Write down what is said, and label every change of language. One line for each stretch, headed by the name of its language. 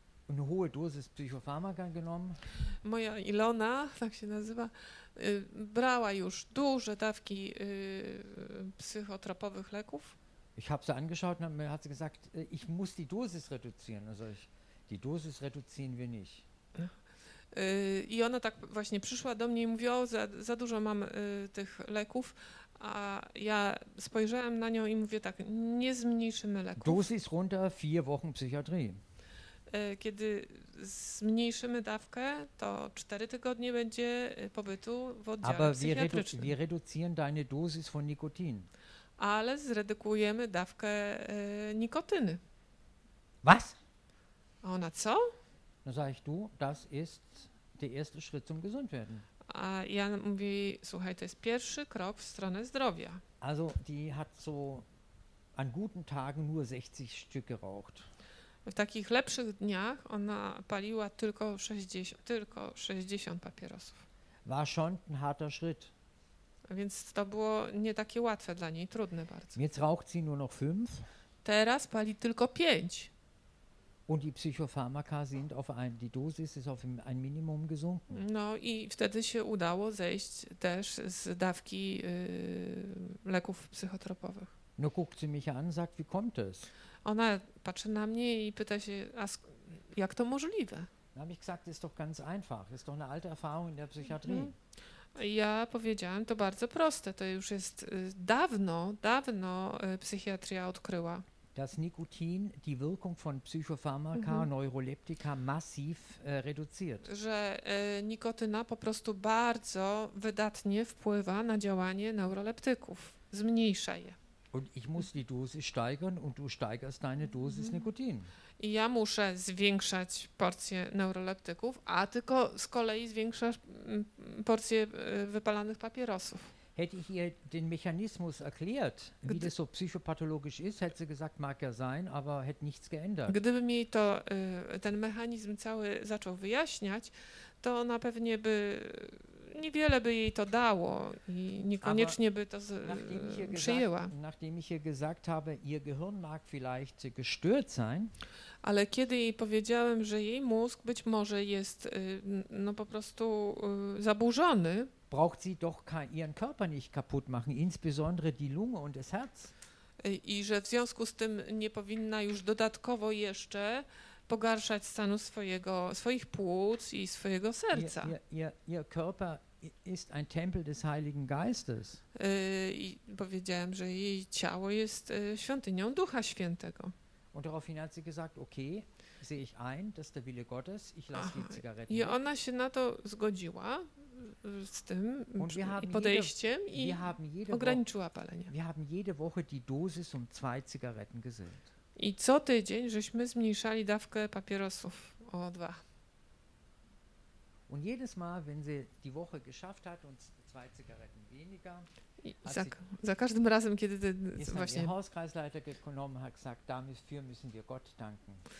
German: eine hohe Dosis Psychopharmaka genommen.
Polish: Moja Ilona, tak się nazywa, brała już duże dawki psychotropowych leków.
German: Ich habe sie angeschaut und mir hat sie gesagt, ich muss die Dosis reduzieren. Also ich, die Dosis reduzieren wir nicht.
Polish: I ona tak właśnie przyszła do mnie i mówiła, za dużo mam tych leków, a ja spojrzałem na nią i mówię tak, nie zmniejszymy leków.
German: Dosis runter, 4 Wochen Psychiatrie.
Polish: Kiedy zmniejszymy dawkę, to 4 tygodnie będzie pobytu w oddziale
German: Aber
Polish: psychiatrycznym.
German: Wir reduzieren deine Dosis von Nikotin.
Polish: Ale zredukujemy dawkę nikotyny.
German: Was?
Polish: A ona co?
German: Dann sag ich, du, das ist der erste Schritt zum Gesundwerden.
Polish: A ja mówię, słuchaj, to jest pierwszy krok w stronę zdrowia.
German: Also die hat so an guten Tagen nur 60 Stück geraucht.
Polish: W takich lepszych dniach ona paliła tylko 60 papierosów.
German: War schon ein harter Schritt.
Polish: Więc to było nie takie łatwe dla niej, trudne bardzo.
German: Jetzt raucht sie nur noch 5.
Polish: Teraz pali tylko 5.
German: Und die Psychopharmaka sind auf ein, die Dosis ist auf ein Minimum gesunken.
Polish: No i wtedy się udało zejść też z dawki leków psychotropowych.
German: No guckt sie mich an, sagt, wie kommt es?
Polish: Ona patrzy na mnie i pyta się, jak to możliwe?
German: Na mich gesagt, ist doch ganz einfach, ist doch eine alte Erfahrung in der Psychiatrie.
Polish: Ja powiedziałem, to bardzo proste, to już jest dawno psychiatria odkryła.
German: Dass Nikotin die Wirkung von Psychopharmaka, mhm. Neuroleptika massiv reduziert.
Polish: Że nikotyna po prostu bardzo wydatnie wpływa na działanie neuroleptyków, zmniejsza je.
German: Und ich muss die Dosis steigern und du steigerst deine Dosis mhm. Nikotin.
Polish: I ja muszę zwiększać porcję neuroleptyków, a tylko z kolei zwiększasz porcję wypalanych papierosów.
German: Hätte ich ihr den Mechanismus erklärt, wie das so psychopathologisch ist, hätte sie gesagt, mag ja sein, aber hätte nichts geändert.
Polish: Gdyby mi to ten mechanizm cały zaczął wyjaśniać, to ona pewnie by niewiele by jej to dało i niekoniecznie
German: aber
Polish: by to przyjęła.
German: Nachdem ich ihr gesagt habe, ihr Gehirn mag vielleicht gestört sein.
Polish: Ale kiedy jej powiedziałem, że jej mózg być może jest no po prostu zaburzony,
German: braucht sie doch ihren Körper nicht kaputt machen, insbesondere die Lunge und das Herz.
Polish: I że w związku z tym nie powinna już dodatkowo jeszcze pogarszać stanu swoich płuc i swojego serca.
German: Ihr Körper ist ein Tempel des Heiligen Geistes.
Polish: I powiedziałem, że jej ciało jest świątynią Ducha Świętego.
German: Und daraufhin hat sie gesagt, okay, sehe ich ein, das ist der Wille Gottes, ich lasse die Zigaretten.
Polish: I ona się na to zgodziła z tym podejściem i ograniczyła palenie.
German: Wir haben jede Woche die Dosis um 2 Zigaretten gesenkt.
Polish: I co tydzień żeśmy zmniejszali dawkę papierosów o 2.
German: Und jedes Mal, wenn sie die Woche geschafft hat und 2 Zigaretten weniger.
Polish: Za każdym razem, kiedy ten właśnie
German: Hauskreisleiter gekommen hat gesagt, dafür müssen wir Gott danken.